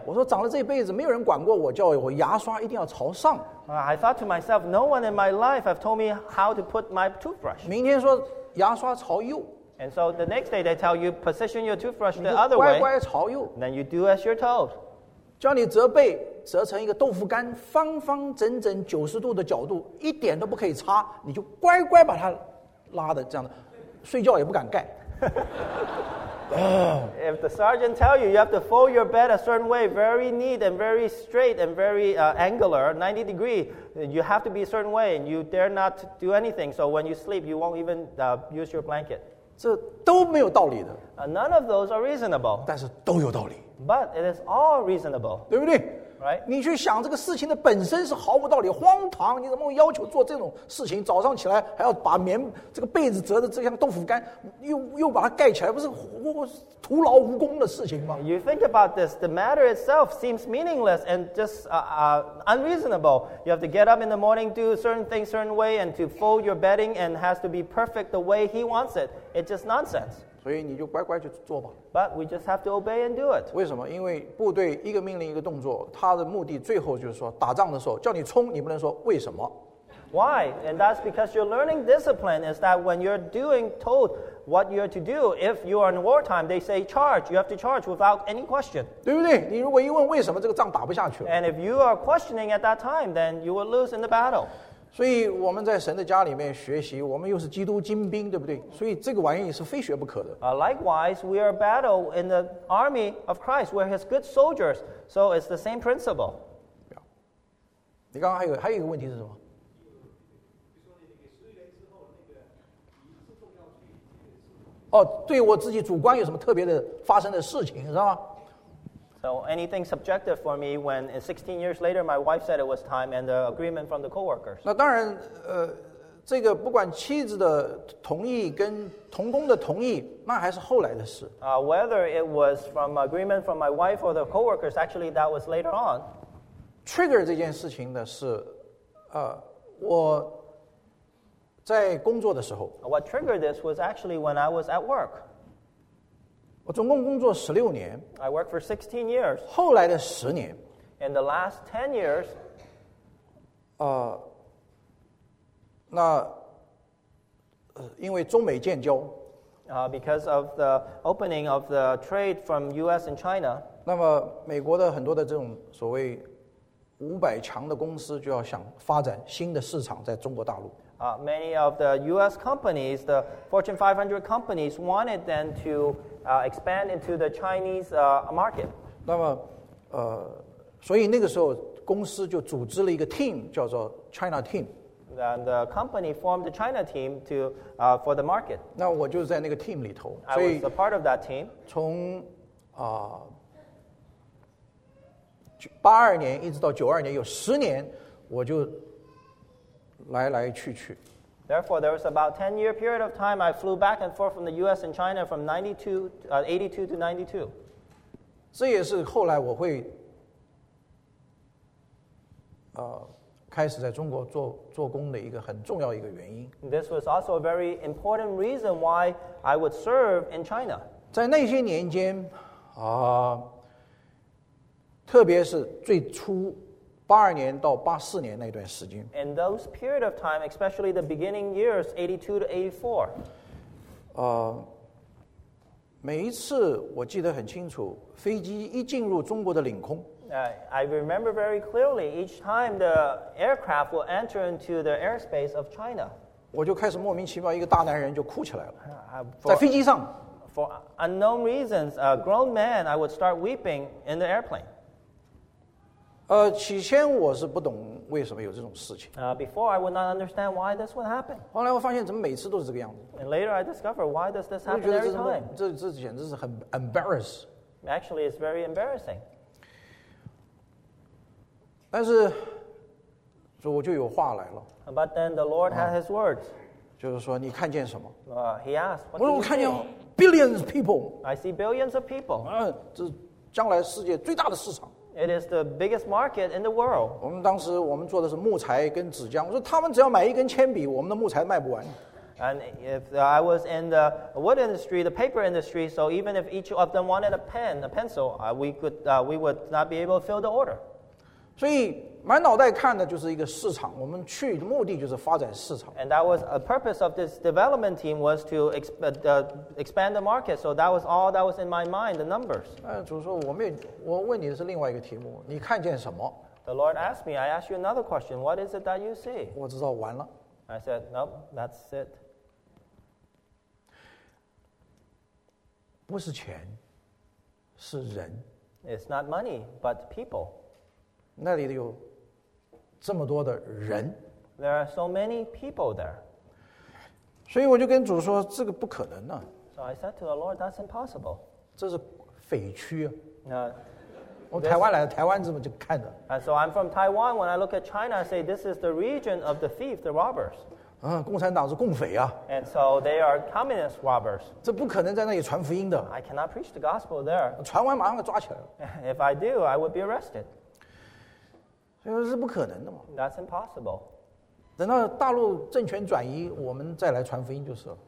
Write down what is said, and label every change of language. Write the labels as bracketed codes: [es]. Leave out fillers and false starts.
[zh] 我说长了这一辈子，没有人管过我，叫我牙刷一定要朝上。 [en] I thought to myself, no one in my life have told me how to put my toothbrush. [zh] 明天说牙刷朝右。 [en] And so the next day they tell you position your toothbrush the other way. [zh] 乖乖朝右。 [en] Then you do as you're told. [zh] 叫你折背，折成一个豆腐干，方方整整九十度的角度，一点都不可以擦，你就乖乖把它拉的这样的，睡觉也不敢盖。 [en] If the sergeant tell you you have to fold your bed a certain way, very neat and very straight and very angular, 90 degree, you have to be a certain way, and you dare not do anything. So when you sleep, you won't even use your blanket. [zh] 这都没有道理的。 [en] None of those are reasonable. [zh] 但是都有道理。 [en] But it is all reasonable. [zh] 对不对？ [en] Right? [zh] 你去想这个事情的本身是毫无道理，荒唐。你怎么要求做这种事情？早上起来还要把棉这个被子折得这像豆腐干，又把它盖起来，不是徒劳无功的事情吗？ [en] You think about this. The matter itself seems meaningless and just unreasonable. You have to get up in the morning, do certain things certain way, and to fold your bedding and has to be perfect the way he wants it. It's just nonsense. [zh] 所以你就乖乖去做吧。 [en] But we just have to obey and do it. [zh] 为什么？因为部队一个命令一个动作，他的目的最后就是说，打仗的时候叫你冲，你不能说为什么。 [en] Why? And that's because you're learning discipline is that when you're doing told what you're to do, if you are in wartime, they say charge, you have to charge without any question. [zh] 对不对？你如果一问为什么这个仗打不下去了。 [en] And if you are questioning at that time, then you will lose in the battle. [zh] 所以我们在神的家里面学习，我们又是基督精兵，对不对？所以这个玩意是非学不可的。 [en] Likewise, we are battle in the army of Christ, we're his good soldiers, so it's the same principle. [zh] 你刚刚还有一个问题是什么？哦，对我自己主观有什么特别的发生的事情是吧？ [en] So anything subjective for me when 16 years later my wife said it was time and the agreement from the co-workers. [zh] 那当然这个不管妻子的同意跟同工的同意那还是后来的事。 [en] Whether it was from agreement from my wife or the co-workers, actually that was later on. [zh] Trigger 这件事情的是我在工作的时候。 [en] What triggered this was actually when I was at work. [zh] 我总共工作十六年。 [en] I worked for 16 years. [zh] 后来的十年。 [en] In the last 10 years, [zh] 那因为中美建交。 [en] Because of the opening of the trade from U.S. and China. [zh] 那么美国的很多的这种所谓五百强的公司就要想发展新的市场在中国大陆。 [en] Many of the U.S. companies, the Fortune 500 companies, wanted them to expand into the Chinese market. [zh] 那么，所以那个时候公司就组织了一个 team， 叫做 China Team. [en] And the company formed the China Team to for the market. [zh] 那我就在那个 team 里头。 [en] I was a part of that team. [zh] 从八二年一直到九二年，有十年，我就。来来去去。 [en] Therefore, there was about 10-year period of time I flew back and forth from the U.S. and China from 82 to 92. [zh] 这也是后来我会开始在中国做工的一个很重要一个原因。 [en] This was also a very important reason why I would serve in China. [zh] 在那些年间特别是最初82年到84年那段时间。 [en] In those period of time, especially the beginning years, 82 to 84. [zh] 每一次我记得很清楚，飞机一进入中国的领空。 [en] I remember very clearly each time the aircraft will enter into the airspace of China. [zh] 我就开始莫名其妙，一个大男人就哭起来了，在飞机上。 [en] For unknown reasons, a grown man, I would start weeping in the airplane. [zh] 起先我是不懂为什么有这种事情。 [en] Before I would not understand why this would happen. [zh] 后来我发现怎么每次都是这个样子。 [en] And later I discovered why does this happen every time. [zh] 这简直是很 embarrass. [en] Actually, it's very embarrassing. [zh] 但是主就有话来了。 [en] But then the Lord had His words. [zh] 就是说你看见什么？ [en] He asked. [zh] 我说我看见 [en] billions of people. I see billions of people. [zh] 这将来世界最大的市场。 [en] It is the biggest market in the world. [zh] 我们当时我们做的是木材跟纸浆。我说他们只要买一根铅笔，我们的木材卖不完。 [en] And if I was in the wood industry, the paper industry, so even if each of them wanted a pen, a pencil, we would not be able to fill the order. [zh] 所以满脑袋看的就是一个市场。我们去的目的就是发展市场。 [en] And that was a purpose of this development team was to expand the market. So that was all that was in my mind, the numbers. [zh] 主说我问你的是另外一个题目，你看见什么？ [en] The Lord asked me, I ask you another question. What is it that you see? [zh] 我知道完了。 [en] I said, nope, that's it. [zh] 不是钱，是人。 [en] It's not money, but people. [zh] 那里有这么多的人。 [en] There are so many people there. [zh] 所以我就跟主说这个不可能啊。 [en] So I said to the Lord, that's impossible. [zh] 这是匪区啊。我台湾来的，台湾这么就看着。 [en] And so I'm from Taiwan. When I look at China, I say this is the region of the thief, the robbers. [zh] 共产党是共匪啊。 [en] And so they are communist robbers. [zh] 这不可能在那里传福音的。 [en] I cannot preach the gospel there. [zh] 传完马上就抓起来了。 [en] If I do, I would be arrested. [zh] 所以是不可能的嘛。 [en] That's impossible. [zh] 等到大陆政权转移，我们再来传福音就是了。